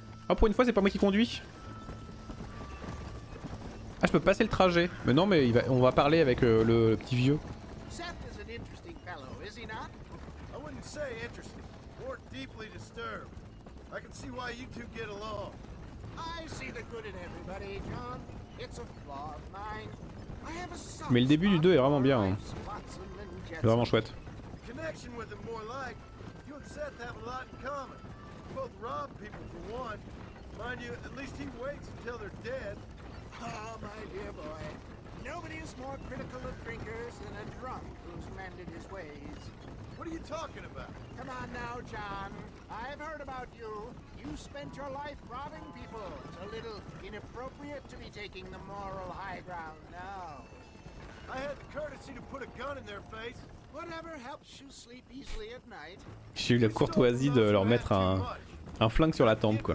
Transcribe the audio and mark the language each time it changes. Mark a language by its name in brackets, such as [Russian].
[French] Oh, pour une fois, c'est pas moi qui conduis. Ah, je peux passer le trajet. Mais non, mais on va parler avec le petit vieux. [English] Seth is an interesting fellow, is he not? I wouldn't say interesting. More deeply disturbed. I can see why you two get along. I see the good in everybody, John. It's a flaw of mine. I have a son. [French] Mais le début du 2 est vraiment bien, hein. Vraiment chouette. [English] Connection with him more like. You and Seth have a lot in common. You both rob people for one. Mind you, at least he waits until they're dead. Oh, my dear boy. Nobody is more critical of drinkers than a drunk who's mended his ways. What are you talking about? Come on now, John. I've heard about you. You spent your life robbing people. It's a little inappropriate to be taking the moral high ground now. I had the courtesy to put a gun in their face. Whatever helps you sleep easily at night. [French] J'ai eu la courtoisie de leur mettre un flingue sur la tempe, quoi.